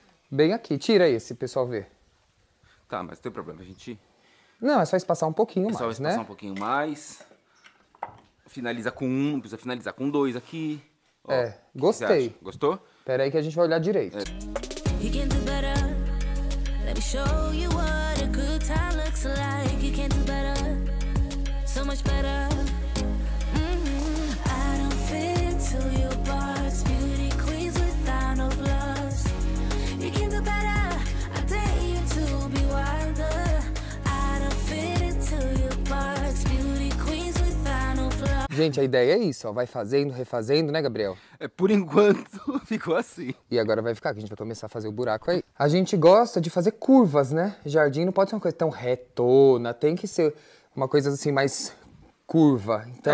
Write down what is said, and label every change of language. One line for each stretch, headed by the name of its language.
Portuguese: Bem aqui. Tira esse, pessoal ver. Tá, mas tem problema a gente... Não, é só espaçar um pouquinho mais, né? É só espaçar um pouquinho mais. Finaliza com um, precisa finalizar com dois aqui. Ó, é, gostei. Gostou? Pera aí que a gente vai olhar direito.
English: É. You can do better. Let me show you what a good time looks like. You can do better. So much better. I don't fit to your box. Beauty queens without no gloves. You can do better. I dare you to be wilder. I don't fit to your box. Beauty queens without no gloves.
Portuguese: Gente, a ideia é isso, ó. Vai fazendo, refazendo, né, Gabriel? É, por enquanto. Ficou assim. E agora vai ficar, que a gente vai começar a fazer o buraco aí. A gente gosta de fazer curvas, né? Jardim não pode ser uma coisa tão retona. Tem que ser uma coisa assim, mais curva. Então...